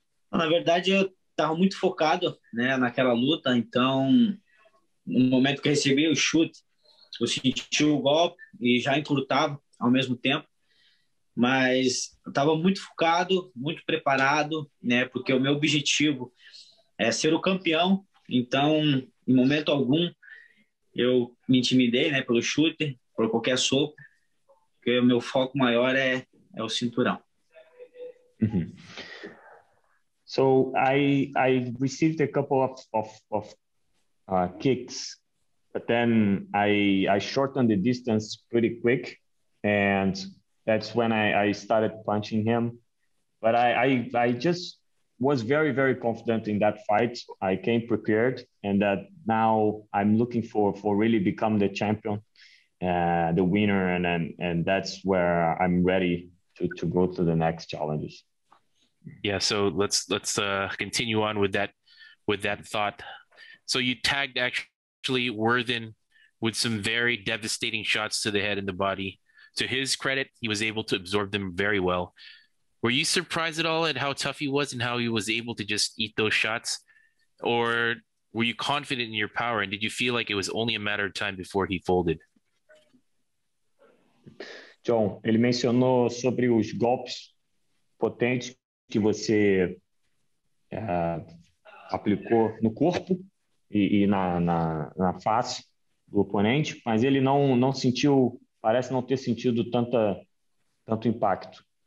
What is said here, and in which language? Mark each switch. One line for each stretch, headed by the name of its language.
Portuguese: Na verdade, eu estava muito focado, né, naquela luta, então no momento que recebi o chute, eu senti o golpe e já encurtava ao mesmo tempo, mas eu estava muito focado, muito preparado, né? Porque o meu objetivo é ser o campeão, então em momento algum eu me intimidei, né, pelo chute, por qualquer soco, porque o meu foco maior é o cinturão. Uhum.
English: So I received a couple of kicks, but then I shortened the distance pretty quick, and that's when I started punching him. But I just was very, very confident in that fight. I came prepared, and that now I'm looking for really become the champion, the winner, and that's where I'm ready to go to the next challenges. Yeah, so let's continue on with that thought. So you tagged actually Worthen with some very devastating shots to the head and the body. To his credit, he was able to absorb them very well. Were you surprised at all at how tough he was and how he was able to just eat those shots? Or were you confident in your power? And did you feel like it was only a matter of time before he folded?
Portuguese: John, ele mencionou sobre os golpes potentes que você aplicou no corpo e na face do oponente, mas ele não sentiu, parece não ter sentido tanto impacto.